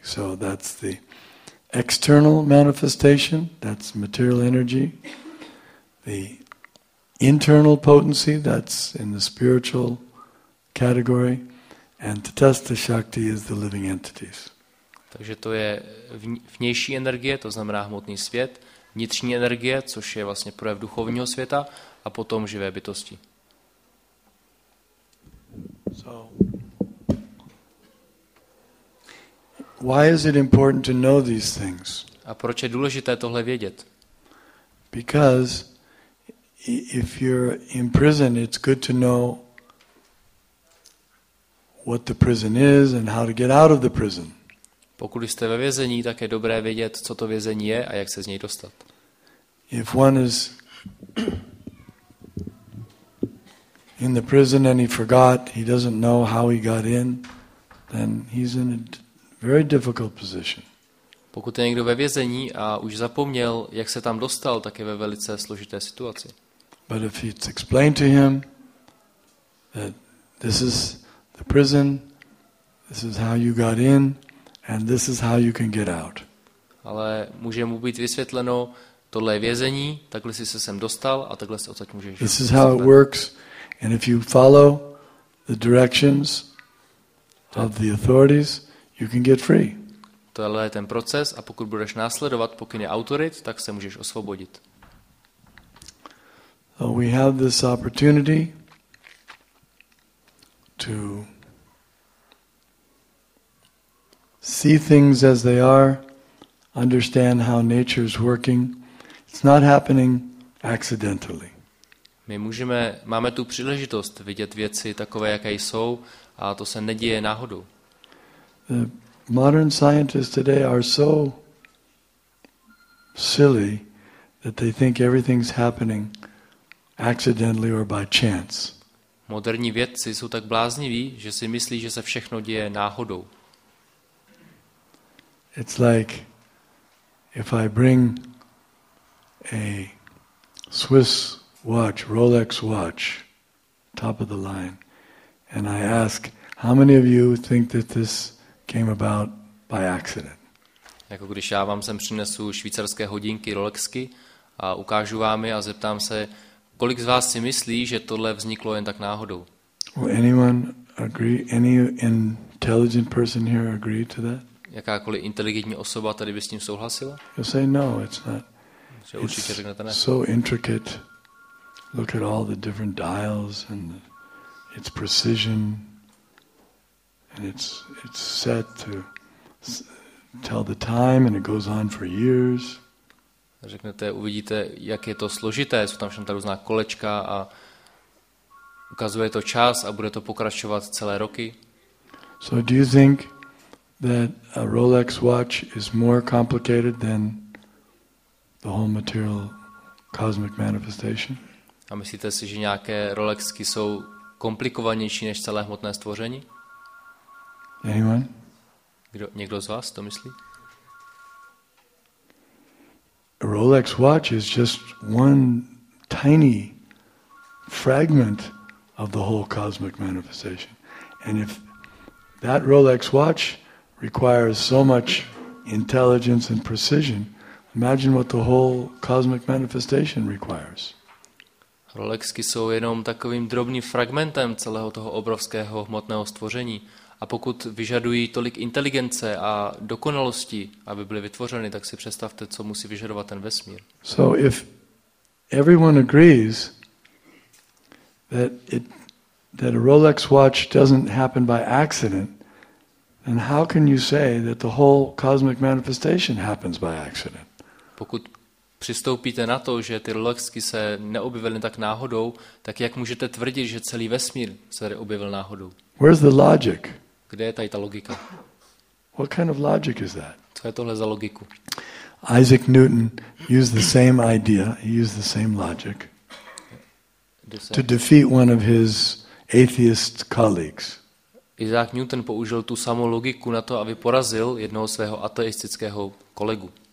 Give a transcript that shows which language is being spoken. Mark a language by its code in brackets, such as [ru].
[en] So that's the external manifestation, that's material energy. The internal potency, that's in the spiritual category. And tatastha shakti is the living entities. [cs] Takže to je vnější energie, to znamená hmotný svět, vnitřní energie, což je vlastně projev duchovního světa, a potom živé bytosti. [en] So, why is it important to know these things? [cs] A proč je důležité tohle vědět? [en] Because if you're in prison, it's good to know what the prison is and how to get out of the prison. [cs] Pokud jste ve vězení, tak je dobré vědět, co to vězení je a jak se z něj dostat. [en] If one is in the prison and he forgot, he doesn't know how he got in, then he's in a very difficult position. [cs] Pokud je někdo ve vězení a už zapomněl, jak se tam dostal, tak je ve velice složité situaci. [en] But if it's explained to him that this is the prison, this is how you got in, and this is how you can get out. [cs] Ale může mu být vysvětleno, tohle je vězení, takhle si se sem dostal a takhle se odsaď můžeš. [en] This is how it works, and if you follow the directions of the authorities, you can get free. [cs] Tohle je ten proces a pokud budeš následovat pokyny autorit, tak se můžeš osvobodit. [en] So we have this opportunity to see things as they are, understand how nature is working. It's not happening accidentally. [cs] My můžeme, máme tu příležitost vidět věci takové, jaké jsou, a to se neděje náhodou. [en] The modern scientists today are so silly that they think everything's happening accidentally or by chance. [cs] Moderní vědci jsou tak blázniví, že si myslí, že se všechno děje náhodou. [en] It's like if I bring a Swiss watch, Rolex watch, top of the line, and I ask, how many of you think that this came about by accident? [cs] Jako když já vám sem přinesu švýcarské hodinky Rolexky a ukážu vám je a zeptám se, kolik z vás si myslí, že tohle vzniklo jen tak náhodou? [en] Will anyone agree? Any intelligent person here agree to that? [cs] Jakákoliv inteligentní osoba tady by s tím souhlasila? [en] You say no, it's not. [cs] Určitě řeknete ne. [en] So intricate. Look at all the different dials and its precision and it's set to tell the time and it goes on for years. [cs] Řeknete, uvidíte, jak je to složité, jsou tam všem ta různá kolečka a ukazuje to čas a bude to pokračovat celé roky. [en] So do you think that a Rolex watch is more complicated than the whole material cosmic manifestation? [cs] A myslíte si, že nějaké Rolexky jsou komplikovanější než celé hmotné stvoření? [en] Anyone? [cs] Kdo, někdo z vás to myslí? [en] A Rolex watch is just one tiny fragment of the whole cosmic manifestation. And if that Rolex watch requires so much intelligence and precision, imagine what the whole cosmic manifestation requires. [cs] Rolexky jsou jenom takovým drobným fragmentem celého toho obrovského hmotného stvoření. A pokud vyžadují tolik inteligence a dokonalosti, aby byly vytvořeny, tak si představte, co musí vyžadovat ten vesmír. [en] So if everyone agrees that a Rolex watch doesn't happen by accident, then how can you say that the whole cosmic manifestation happens by accident? [cs] Pokud přistoupíte na to, že ty Rolexky se neobjevily tak náhodou, tak jak můžete tvrdit, že celý vesmír se tady objevil náhodou? [en] Where's the logic? [cs] Kde je tady ta logika? [en] What kind of logic is that? [cs] Co je tohle za logiku? [en] Isaac Newton used the same idea, he used the same logic to defeat one of his atheist colleagues. [cs] Isaac Newton použil tu samou logiku na to, aby porazil jednoho svého ateistického kolegu.